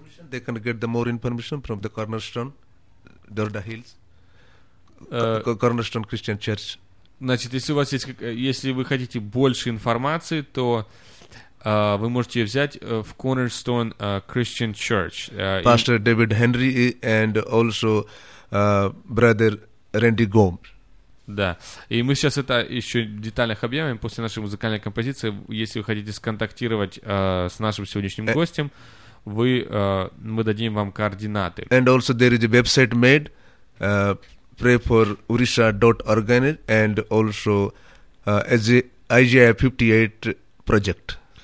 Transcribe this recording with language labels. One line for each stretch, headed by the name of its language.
English: They can get the more information from the Cornerstone, Dorda Hills, Cornerstone Christian Church.
Russian: Значит, если у вас есть, если вы хотите больше информации, то вы можете взять в Cornerstone Christian Church.
English: Pastor David Henry and also brother Randy Gomes.
Russian: Да, и мы сейчас это еще детально объявим после нашей музыкальной композиции. Если вы хотите сконтактировать с нашим сегодняшним гостем, вы, мы дадим вам координаты.
English: And also there is a website made, prayfororisha.org and also IGI58 project.